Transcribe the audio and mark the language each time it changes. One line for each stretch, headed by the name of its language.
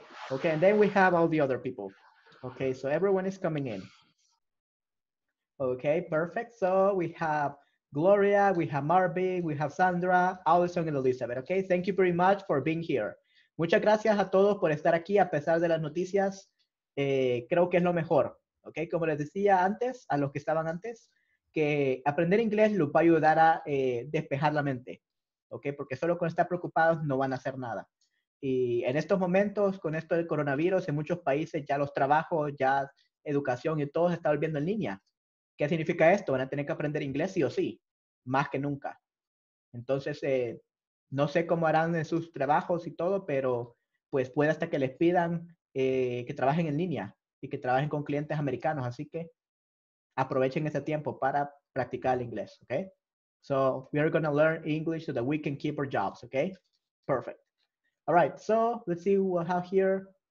English: Ok, and then we have all the other people. Ok, so everyone is coming in. Ok, perfect. So we have Gloria, we have Marvin, we have Sandra, Allison and Elizabeth. Ok, thank you very much for being here.
Spanish: Muchas gracias a todos por estar aquí a pesar de las noticias. Creo que es lo mejor. Ok, como les decía antes, a los que estaban antes, que aprender inglés les va a ayudar a despejar la mente. Ok, porque solo con estar preocupados no van a hacer nada. Y en estos momentos, con esto del coronavirus, en muchos países ya los trabajos, ya educación y todo se está volviendo en línea. ¿Qué significa esto? Van a tener que aprender inglés sí o sí, más que nunca. Entonces, no sé cómo harán en sus trabajos y todo, pero pues puede hasta que les pidan que trabajen en línea y que trabajen con clientes americanos. Así que aprovechen ese tiempo para practicar el inglés, ¿ok?
English: So, we are going to learn English so that we can keep our jobs, ¿ok? Perfect. All right, so let's see who we have here.